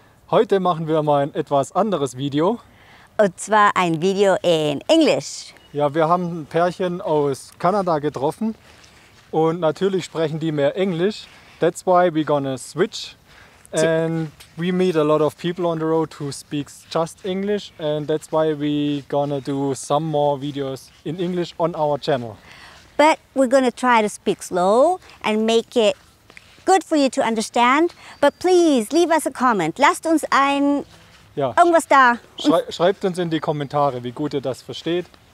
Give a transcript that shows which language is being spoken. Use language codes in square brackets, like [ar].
[de] Heute machen wir mal ein etwas anderes Video. Und zwar ein Video in Englisch. Ja, wir haben ein Pärchen aus Kanada getroffen. Und natürlich sprechen die mehr Englisch. [en] That's why we're gonna switch. And we meet a lot of people on the road who speaks just English. And that's why we're gonna do some more videos in English on our channel. But we're gonna try to speak slow and make it good for you to understand, but please leave us a comment. [de] Lasst uns ein ja. Irgendwas da. Schreibt uns in die Kommentare, wie gut ihr das versteht.